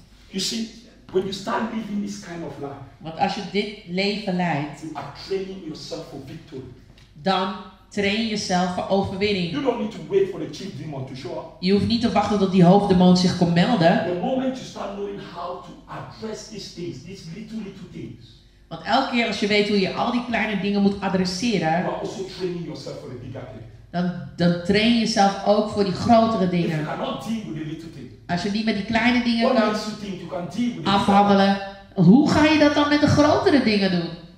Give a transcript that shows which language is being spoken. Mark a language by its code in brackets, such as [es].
[en] You see, when you start living this kind of life, [nl] want als je dit leven leidt, [en] you are training yourself for victory. [nl] Dan train jezelf voor overwinning. [en] You don't need to wait for the chief demon to show up. [nl] Je hoeft niet te wachten tot die hoofddemon zich komt melden. [en] The moment you start knowing how to address these things, these little things. [nl] Want elke keer als je weet hoe je al die kleine dingen moet adresseren, [en] you are also training yourself for the bigger thing. [nl] Dan train je jezelf ook voor die grotere dingen. Als je niet met die kleine dingen kan afhandelen, hoe ga je dat dan met de grotere dingen doen?